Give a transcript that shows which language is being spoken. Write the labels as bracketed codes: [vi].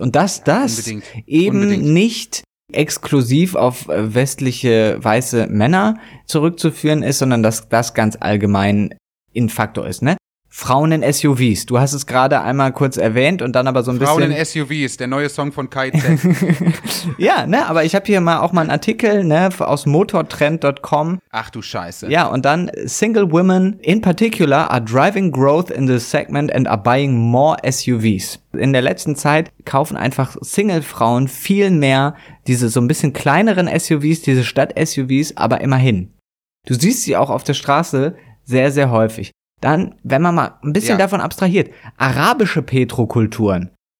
[de] Und dass das nicht exklusiv auf westliche weiße Männer zurückzuführen ist, sondern dass das ganz allgemein ein Faktor ist, ne? Frauen in SUVs. Du hast es gerade einmal kurz erwähnt und dann aber so ein Frauen bisschen. Frauen in SUVs, der neue Song von KIZ. Ja, ne, aber ich habe hier mal auch mal einen Artikel, ne, aus motortrend.com. Ach du Scheiße. Ja, und dann [en] Single women in particular are driving growth in the segment and are buying more SUVs. [de] In der letzten Zeit kaufen einfach Single-Frauen viel mehr diese so ein bisschen kleineren SUVs, diese Stadt-SUVs, aber immerhin. Du siehst sie auch auf der Straße sehr, sehr häufig. Dann, wenn man mal ein bisschen davon abstrahiert, arabische Petrokulturen.